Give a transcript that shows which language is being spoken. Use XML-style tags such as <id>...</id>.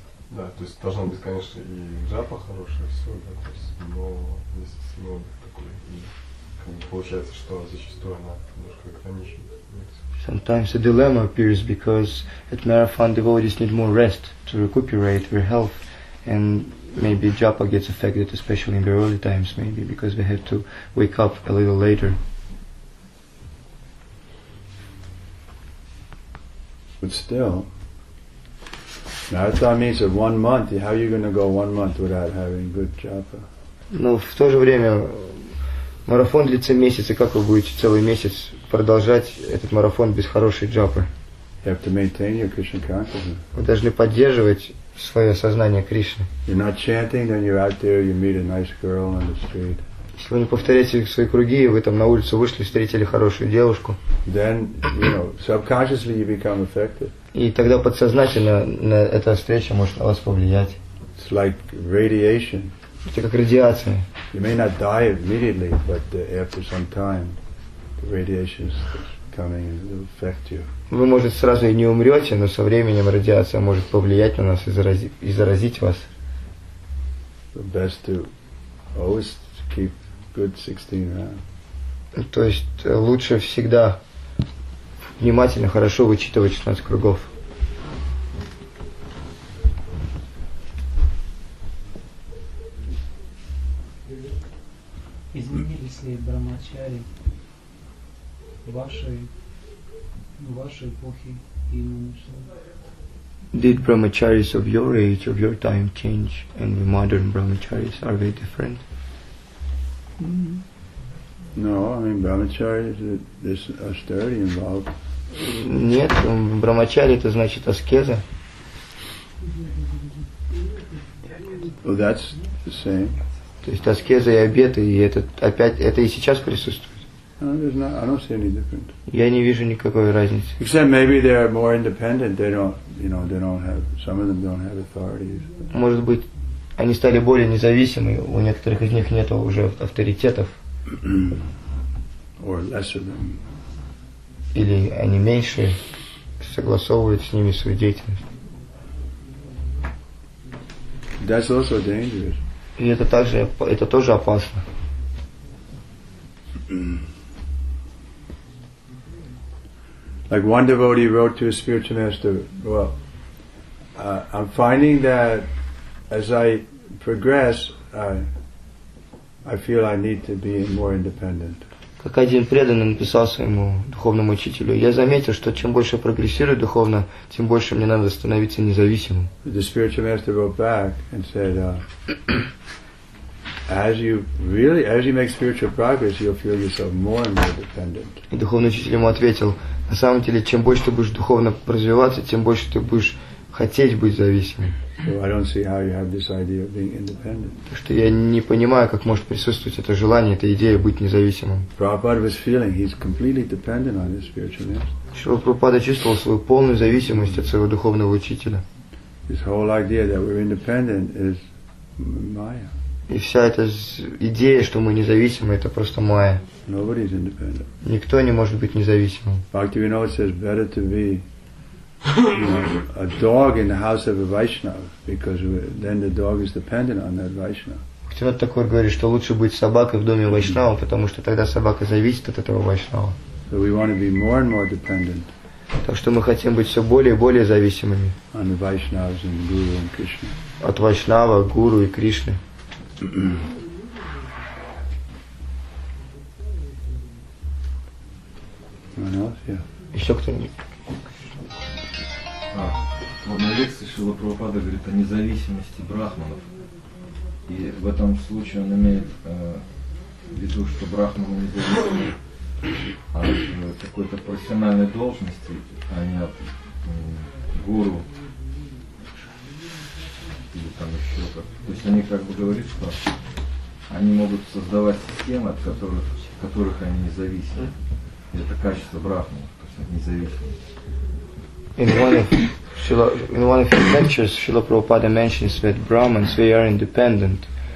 <ru>Да, то есть должна быть, конечно, и джапа хорошая, и все, да, то есть, но если слово такое, и как бы получается, что зачастую она немножко ограничивает.</ru> <en>Sometimes a dilemma appears because at marathon devotees need more rest to recuperate their health, and maybe japa gets affected, especially in the early times, maybe because they have to wake up a little later. But still, marathon means that 1 month, how are you going to go 1 month without having good japa?</en> <ru>Но в то же время, марафон длится месяц, и как вы будете целый месяц продолжать этот марафон без хорошей джапы?</ru> <en>You have to maintain your Krishna consciousness.</en> <ru>Вы должны поддерживать свое сознание Кришны.</ru> <en>You're not chanting, then you're out there, you meet a nice girl on the street.</en> <ru>Если вы не повторяете свои круги, и вы там на улицу вышли, встретили хорошую девушку.</ru> <en>Then, you know, subconsciously you become affected.</en> <ru>И тогда подсознательно на эта встреча может на вас повлиять.</ru> <en>It's like radiation.</en> <ru>Это как радиация.</ru> <en>You may not die immediately, but after some time, the radiation is coming and will affect you.</en> <ru>Вы, может, сразу и не умрете, но со временем радиация может повлиять на нас и заразить вас.</ru> <en>The best to always keep good 16 rounds.</en> <ru>То есть лучше всегда внимательно, хорошо вычитывать 16 кругов. Изменились ли брамачари вашей эпохи и нынешней?</ru> <en>Did brahmacharis of your age, of your time change, and the modern brahmacharis, are they different? No, I mean brahmacharis, there's austerity involved.</en> <ru>Нет, брамачари это значит аскеза.</ru> <en>Well, that's the same.</en> <ru>То есть аскеза и обеты, и это и сейчас присутствует.</ru> <en>I don't see any different.</en> <ru>Я не вижу никакой разницы.</ru> <en>Except maybe they are more independent. They don't, you know, they don't have, some of them don't have authorities.</en> <ru>Может быть, они стали более независимы. У некоторых из них нет уже авторитетов.</ru> <en>Or less of them.</en> <ru>Или они меньше согласовывают с ними свою деятельность.</ru> <en>That's also dangerous.</en> <ru>И это также это тоже опасно.</ru> <en>Like one devotee wrote to his spiritual master, well, I'm finding that as I progress, I feel I need to be more independent.</en> <ru>Как один преданный написал своему духовному учителю, я заметил, что чем больше прогрессирую духовно, тем больше мне надо становиться независимым.</ru> <en>The spiritual master wrote back and said, as you make spiritual progress, you'll feel yourself more and more dependent.</en> <ru>И духовный учитель ему ответил, на самом деле, чем больше ты будешь духовно развиваться, тем больше ты будешь хотеть быть зависимым.</ru> <en>So I don't see how you have this idea of being independent.</en> <ru>Потому что я не понимаю, как может присутствовать это желание, эта идея быть независимым.</ru> <en>Prabhupada was feeling he's completely dependent on his spiritual master.</en> <ru>Прабхупада чувствовал свою полную зависимость от своего духовного учителя.</ru> <en>This whole idea that we're independent is Maya.</en> <ru>И вся эта идея, что мы независимы, это просто Maya.</ru> <en>Nobody is independent.</en> <ru>Никто не может быть независимым.</ru> <en>Bhaktivinoda says better to be. A dog in the house of a Vaishnava, because then the dog is dependent on that Vaishnava.</en> <ru>Кто-то такой говорит, что лучше быть собакой в доме Вайшнава, потому что тогда собака зависит от этого Вайшнава.</ru> <en>So we want to be more and more dependent.</en> <ru>Так что мы хотим быть все более и более зависимыми.</ru> <en>On the Vaishnavas and Guru and Krishna.</en> <ru>От Вайшнава, Гуру и Кришны. Еще кто-нибудь? В одной лекции Шрила Прабхупада говорит о независимости брахманов. И в этом случае он имеет в виду, что брахманы независимы от какой-то профессиональной должности, а не от гуру. Или там еще как. То есть они как бы говорят, что они могут создавать системы, от которых они независимы. И это качество брахманов, то есть от независимости.</ru> <en>In one of his lectures, Srila Prabhupada mentions that Brahmins, they are independent.</en>